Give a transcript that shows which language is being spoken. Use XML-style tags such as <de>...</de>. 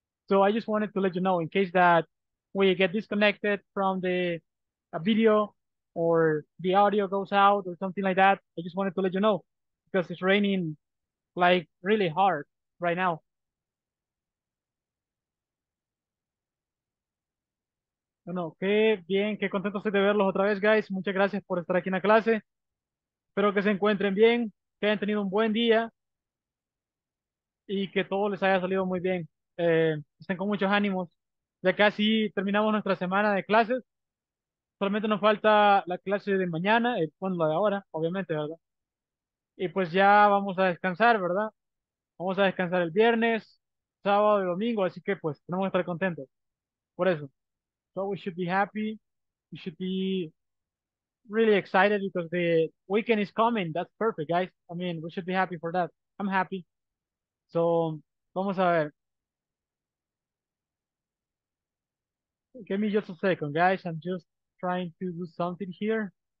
<en>So I just wanted to let you know in case that we get disconnected from the video or the audio goes out or something like that. I just wanted to let you know because it's raining like really hard right now.</en> <es>Bueno, qué bien, qué contento estoy de verlos otra vez, guys. Muchas gracias por estar aquí en la clase. Espero que se encuentren bien, que hayan tenido un buen día y que todo les haya salido muy bien. Estén con muchos ánimos. Ya casi terminamos nuestra semana de clases. Solamente nos falta la clase de mañana, bueno, la de ahora, obviamente, ¿verdad? Y pues ya vamos a descansar, ¿verdad? Vamos a descansar el viernes, sábado y domingo, así que pues tenemos que estar contentos. Por eso.</es> <en>So we should be happy. We should be really excited because the weekend is coming. That's perfect, guys. I mean, we should be happy for that. I'm happy. So,</en> <es>vamos a ver.</es> <en>Give me just a second, guys. I'm just trying to do something here.</en>